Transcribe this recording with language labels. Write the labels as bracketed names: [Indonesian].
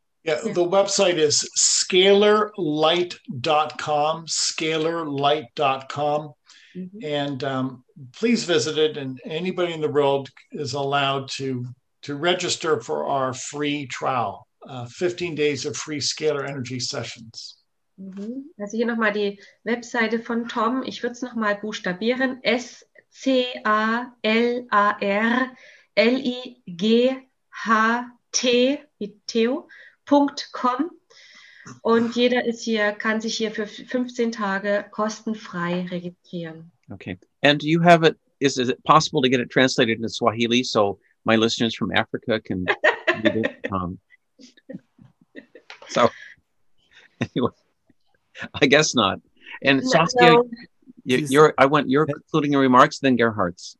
[English] Yeah, the website is scalarlight.com, scalarlight.com. Mm-hmm. And please visit it, and anybody in the world is allowed to register for our free trial, 15 days of free scalar energy sessions. Mm-hmm. [German] Also hier nochmal die Webseite von Tom. Ich würde es nochmal buchstabieren, scalarlight.com. Und jeder ist hier, kann sich hier für 15 Tage kostenfrei registrieren. Okay. [English] And you have it, is it possible to get it translated into Swahili so my listeners from Africa can read it? So, anyway, I guess not. And no, Saskia. No. You're including your remarks, then Gerhard's.